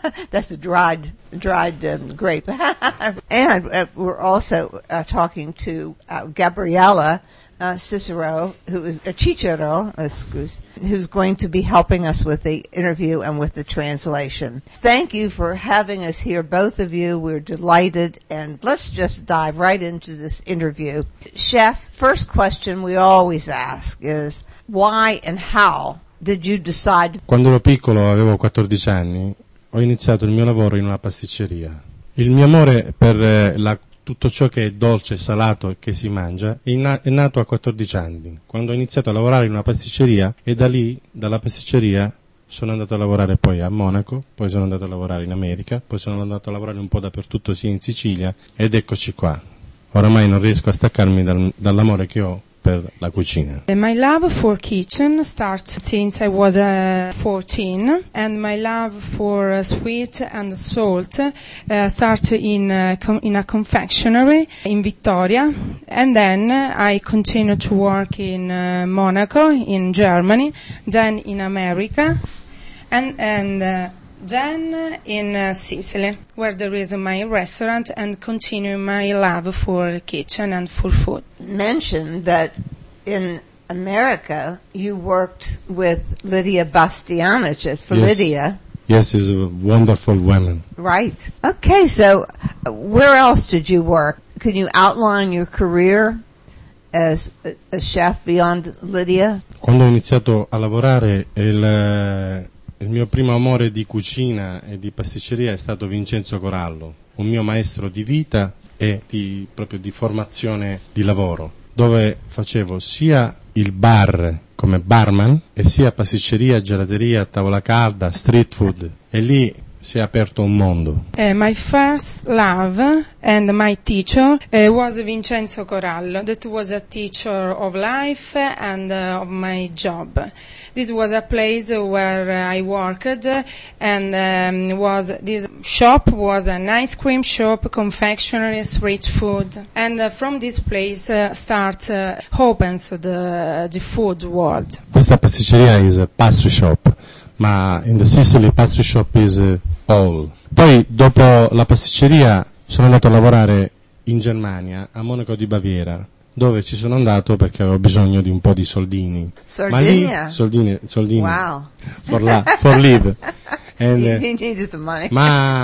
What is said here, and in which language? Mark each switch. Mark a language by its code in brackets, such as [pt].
[en] That's a dried grape. And we're also talking to Gabriella Cicero, who is who's going to be helping us with the interview and with the translation. Thank you for having us here, both of you. We're delighted, and let's just dive right into this interview. Chef, first question we always ask is, why and how did you decide? [it] Quando ero piccolo, avevo 14 anni, ho iniziato il mio lavoro in una pasticceria. Il mio amore per tutto ciò che è dolce, salato e che si mangia è nato a 14 anni, quando ho iniziato a lavorare in una pasticceria e da lì, dalla pasticceria, sono andato a lavorare poi a Monaco, poi sono andato a lavorare in America, poi sono andato a lavorare un po' dappertutto, sia in Sicilia, ed eccoci qua. Oramai non riesco a staccarmi dall'amore che ho per la cucina. [en] My love for kitchen starts since I was 14, and my love for sweet and salt starts in a confectionery in Victoria, and then I continue to work in Monaco, in Germany, then in America, and then in Sicily, where there is my restaurant, and continue my love for kitchen and for food. Mentioned that in America you worked with Lydia Bastianich at Felidia. Yes, she's a wonderful woman. Right. Okay, so where else did you work? Can you outline your career as a chef beyond Lydia? [it] Quando ho iniziato a lavorare, il mio primo amore di cucina e di pasticceria è stato Vincenzo Corallo, un mio maestro di vita e proprio di formazione di lavoro, dove facevo sia il bar come barman e sia pasticceria, gelateria, tavola calda, street food, e lì si è aperto un mondo. [en] My first love and my teacher was Vincenzo Corallo. That was a teacher of life and of my job. This was a place where I worked, and this shop was an ice cream shop, confectionery, street food. And from this place opens the food world. [it] Questa pasticceria [en] is a pastry shop. Ma in the Sicily pastry shop is all. [it] Poi dopo la pasticceria sono andato a lavorare in Germania, a Monaco di Baviera, dove ci sono andato perché avevo bisogno di un po' di soldini. Sardinia? Ma lì, soldini. [en] Wow. For la, for live. And, you needed the money. [it] Ma,